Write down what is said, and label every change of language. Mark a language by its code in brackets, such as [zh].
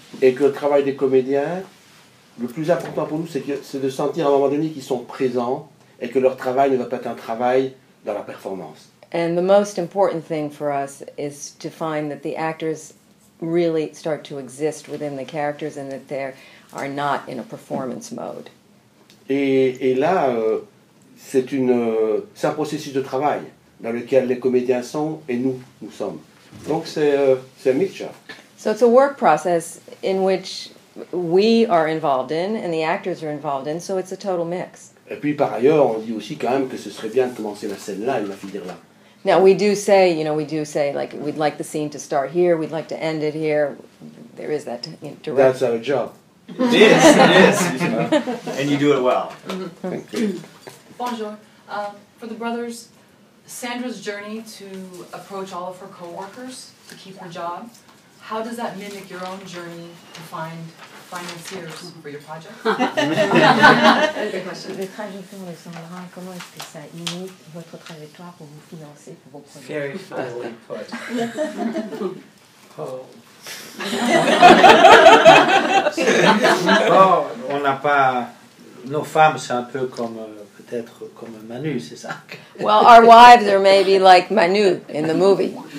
[fr] Et que le travail des comédiens, le plus important pour nous, c'est de sentir à un moment donné qu'ils sont présents et que leur travail ne va pas être un travail dans la performance. [en] And the most important thing for us is to find that the actors really start to exist within the characters and that they are not in a performance mode. [fr] Et là, c'est un processus de travail dans lequel les comédiens sont et nous sommes. Donc c'est un mixture. [en] So it's a work process in which we are involved in and the actors are involved in, so it's a total mix. [fr] Et puis par ailleurs, on dit aussi quand même que ce serait bien de commencer la scène là et la finir là. [en] Now we do say, you know, we do say, like, we'd like the scene to start here, we'd like to end it here. There is that direct. That's our job. It is. And you do it well. Thank you. [fr] Bonjour. [en] For the brothers, Sandra's journey to approach all of her co-workers to keep her job, how does that mimic your own journey to find financiers for your project? That's a good question. The trajectory of Sandra, how does that mimic your trajectory to finance your project? Very finely put. [fr] Bon, on n'a pas nos femmes, c'est un peu comme peut-être comme Manu, c'est ça. [en] Well, our wives are maybe like Manu in the movie.